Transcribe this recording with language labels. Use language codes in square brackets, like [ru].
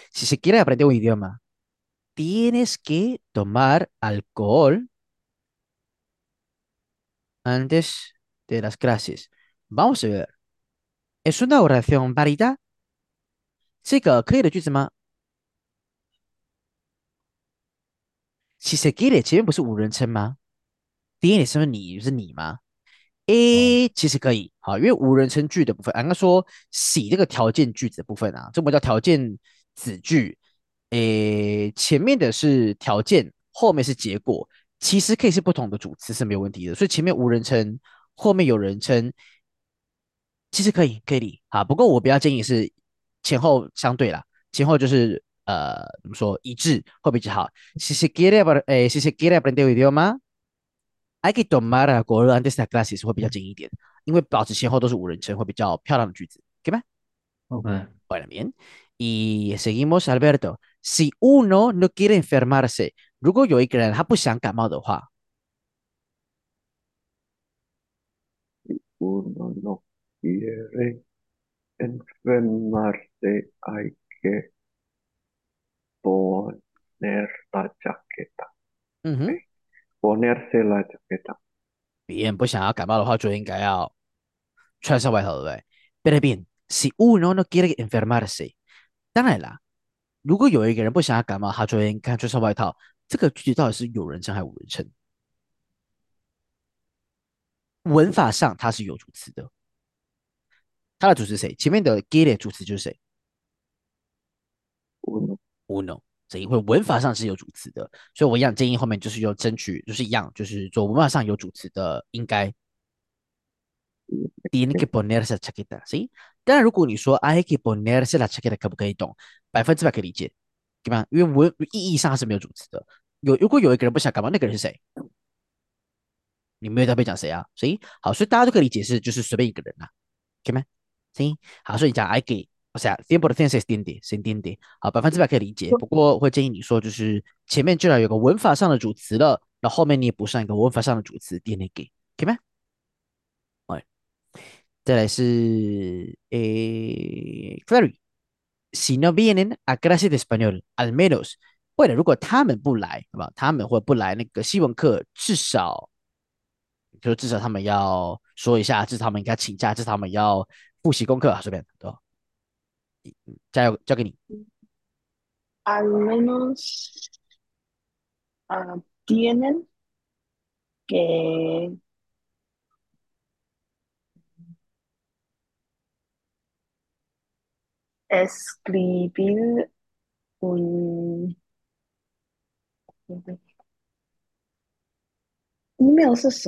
[es] Si se quiere aprender un idioma, tienes que tomar alcohol antes de las clases. Vamos a ver. ¿Es una oración válida? Sí, claro, ¿qué es más? Si se quiere, ¿qué es un más? ¿Tiene ese ni, ese ni más? 哦， [zh] 诶，其实可以，好，因为无人称句的部分，应该说起这个条件句子的部分啊，这不叫条件子句。诶，前面的是条件，后面是结果，其实可以是不同的主词是没有问题的。所以前面无人称，后面有人称，其实可以，可以理。好，不过我比较建议是前后相对啦，前后就是怎么说一致会比较好。 [es] si se quiere si se quiere aprender el idioma。 Hay que tomar alcohol antes de las clases [zh] 会比较近一点，因为保持前后都是五人称会比较漂亮的句子，OK 吗？ [en] Okay. [zh] 好了， [es] bien. Y seguimos, Alberto. Si uno no quiere enfermarse， [zh] 如果有一个人他不想感冒的话， [es] Uno no quiere enfermarse, hay que poner la chaqueta. Ponerse la chaqueta. [zh] 别人不想要感冒的话，就应该要穿上外套，对不对？ [es] Pero bien, si uno no quiere enfermarse， [zh] 当然啦，如果有一个人不想要感冒，他就应该穿上外套。这个具体到底是有人称还是无人称？文法上它是有主词的，它的主词谁？前面的 get 主词就是谁？uno。所以会文法上是有主词的，所以我一样建议后面就是要争取，就是一样，就是做文法上有主词的应该。 [es] Tiene que ponerse la chaqueta, ¿sí? [zh] 当然，如果你说 [es] hay que ponerse la chaqueta， [zh] 可不可以懂？100%可以理解，对吧？因为文意义上是没有主词的。如果有一个人不想感冒，那个人是谁？你没有在被讲谁啊？所以好，所以大家都可以理解是就是随便一个人啦，可以吗？行，好，所以你讲 hay que。 [es] O sea, 100% se entiende, se entiende. [zh] 好，100%可以理解。不过会建议你说，就是前面居然有个文法上的主词了，那后面你也补上一个文法上的主词，tiene que，可以吗？再来是Clary, [es] si no vienen a clase de español, al menos， [zh] 为了如果他们不来，好吧，他们会不来那个西文课，至少，就至少他们要说一下，至少他们应该请假，至少他们要复习功课啊，随便，对吧？加油，交给你。 [es] Al menos tienen que escribir un email, es ¿sí?